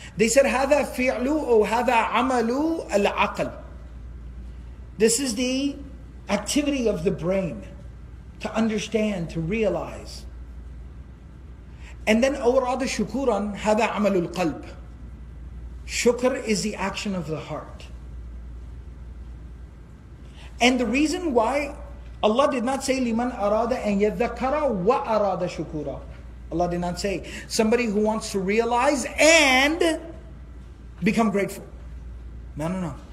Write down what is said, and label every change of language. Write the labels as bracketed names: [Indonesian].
[English] They said [Arabic] hadha fi'lu aw hadha 'amalu al-'aql. [English] This is the activity of the brain to understand, to realize. And then [Arabic] أَوْرَادَ شُكُورًا هَذَا عَمَلُ الْقَلْبِ. [English] Shukr is the action of the heart. And the reason why Allah did not say [Arabic] لِمَنْ أَرَادَ أَنْ يَذَّكَّرَ وَأَرَادَ شُكُورًا. [English] Allah did not say somebody who wants to realize and become grateful. No.